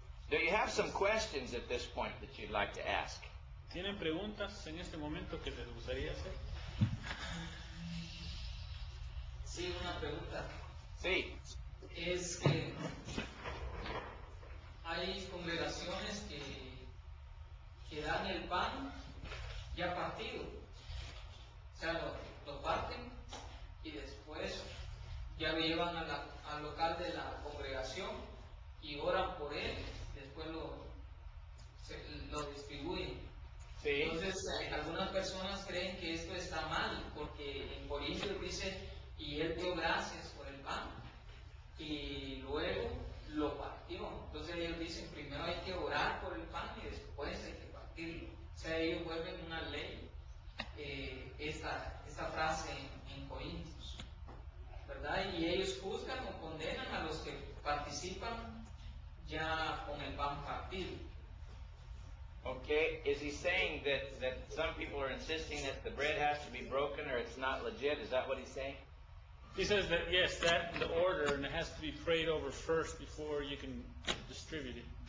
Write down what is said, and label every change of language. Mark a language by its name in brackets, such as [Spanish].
[English] Do you have some questions at this point that you'd like to ask? [Spanish] ¿Tienen preguntas en este momento que les gustaría hacer? Sí, una pregunta. Sí. Es que hay congregaciones que dan el pan ya partido. O sea, lo parten y después ya lo llevan al local de la congregación y oran por él, después lo distribuyen. Sí. Entonces, algunas personas creen que esto está mal, porque en Corintios dice, y él dio gracias por el pan, y luego lo partió. Entonces ellos dicen, primero hay que orar por el pan y después hay que partirlo. O sea, ellos vuelven una ley, esta frase en Corintios. ¿Verdad? Y ellos juzgan o condenan a los que participan ya con el pan partido. [English] Okay, is he saying that some people are insisting that the bread has to be broken or it's not legit? Is that what he's saying? He says that yes, that the order and it has to be prayed over first before you can distribute it.